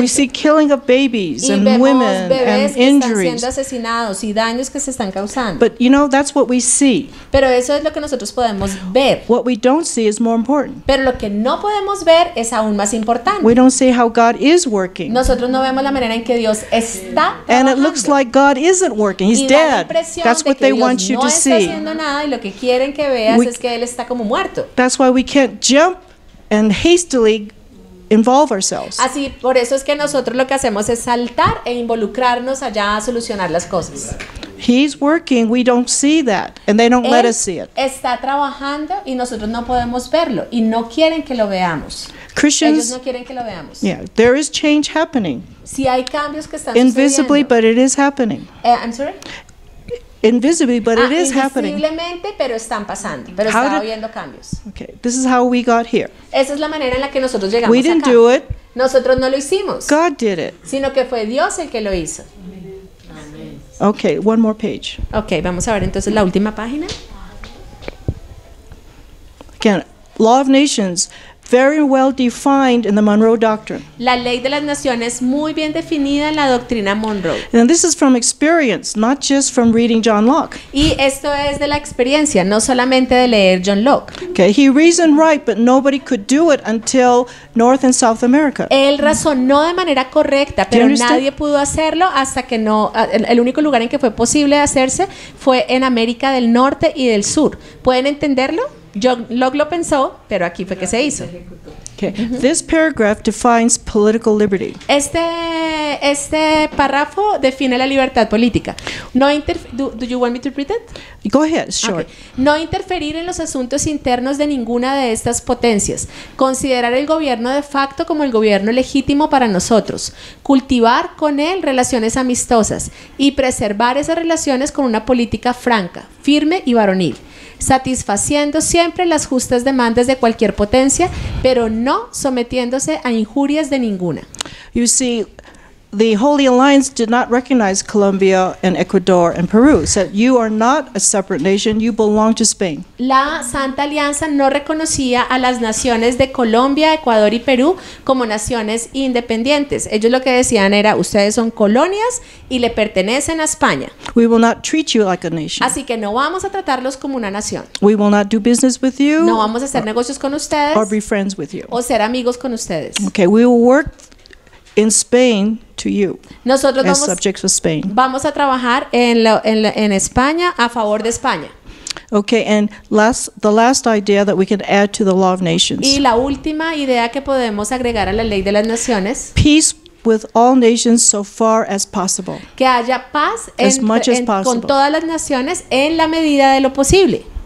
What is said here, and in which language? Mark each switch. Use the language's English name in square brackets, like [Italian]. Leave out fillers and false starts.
[English] We see killing of babies and women and injuries. [Spanish] Y vemos bebés que están siendo asesinados y daños que se están causando. [English] But you know, that's what we see. [Spanish] Pero eso es lo que nosotros podemos ver. [English] What we don't see is more important. [Spanish] Pero lo que no podemos ver es aún más importante. [English] We don't see how God is working. [Spanish] Nosotros no vemos la manera en que Dios está trabajando. [English] And it looks like God isn't working. He's dead. That's what they want you to see. [Spanish] Y da la impresión de que Dios no está haciendo nada y lo que quieren que veas es que él está como muerto. [English] That's why we can't jump and hastily involve ourselves. [Spanish] Así, por eso es que nosotros lo que hacemos es saltar e involucrarnos allá a solucionar las cosas. [English] He's working, we don't see that, and they don't let us see it. [Spanish] Está trabajando y nosotros no podemos verlo y no quieren que lo veamos. [English] Christians, [Spanish] ellos no quieren que lo veamos. [English] Yeah, there is change happening. [Spanish] Sí, hay cambios que están [English] invisibly, [Spanish] sucediendo. [English] But it is happening. I'm sorry. Invisibly, but it is happening. [Spanish] Invisiblemente, pero están pasando, pero está habiendo cambios. [English] Okay, this is how we got here. [Spanish] Esa es la manera en la que nosotros llegamos acá. [English] We didn't do it. [Spanish] Nosotros no lo hicimos. [English] God did it. [Spanish] Sino que fue Dios el que lo hizo. [English] Okay, one more page. [Spanish] Okay, vamos a ver entonces la última página. [English] Again, Law of Nations, very well defined in the Monroe Doctrine. [Spanish] La ley de las naciones muy bien definida en la doctrina Monroe. [English] And this is from experience, not just from reading John Locke. [Spanish] Y esto es de la experiencia, no solamente de leer John Locke. [English] Okay, he reasoned right, but nobody could do it until North and South America. [Spanish] Él razonó de manera correcta, pero nadie pudo hacerlo hasta que no. El único lugar en que fue posible hacerse fue en América del Norte y del Sur. ¿Pueden entenderlo? John Locke lo pensó, pero aquí fue que se hizo. [English] Okay. This paragraph defines political liberty. [Spanish] Este párrafo define la libertad política. [English] Do you want me to read it? Go ahead, short. Okay. [Spanish] No interferir en los asuntos internos de ninguna de estas potencias. Considerar el gobierno de facto como el gobierno legítimo para nosotros. Cultivar con él relaciones amistosas y preservar esas relaciones con una política franca, firme y varonil. Satisfaciendo siempre las justas demandas de cualquier potencia, pero no sometiéndose a injurias de ninguna. [English] You see, the Holy Alliance did not recognize Colombia and Ecuador and Peru. Said you are not a separate nation, you belong to Spain. [Spanish] La Santa Alianza no reconocía a las naciones de Colombia, Ecuador y Perú como naciones independientes. Ellos lo que decían era, ustedes son colonias y le pertenecen a España. [English] We will not treat you like a nation. [Spanish] Así que no vamos a tratarlos como una nación. [English] We will not do business with you. [Spanish] No vamos a hacer negocios con ustedes. [English] Or be friends with you. [Spanish] O ser amigos con ustedes. [English] Okay, we will work in Spain to you. [Spanish] Nosotros [English] as subjects of Spain. [Spanish] Vamos a trabajar en España a favor de España. [English] Okay, and the last idea that we can add to the Law of Nations. [Spanish] Y la última idea que podemos agregar a la Ley de las Naciones. [English] Peace with all nations so far as possible. [Spanish] Que haya paz [English] as much as possible. [Spanish] Con todas las naciones en la medida de lo posible.